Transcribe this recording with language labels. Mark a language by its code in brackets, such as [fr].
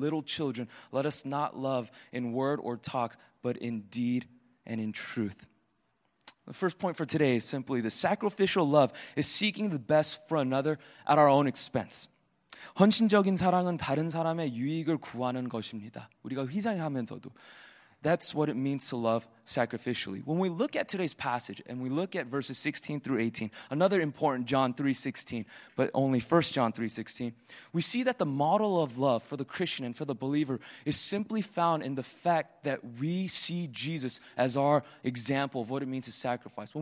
[en] Little children, let us not love in word or talk, but in deed and in truth. The first point for today is simply the sacrificial love is seeking the best for another at our own expense. [ko] 헌신적인 사랑은 다른 사람의 유익을 구하는 것입니다. 우리가 희생하면서도. [en] That's what it means to love sacrificially. When we look at today's passage and we look at verses 16 through 18, another important John 3:16, but only 1 John 3:16, we see that the model of love for the Christian and for the believer is simply found in the fact that we see Jesus as our example of what it means to sacrifice.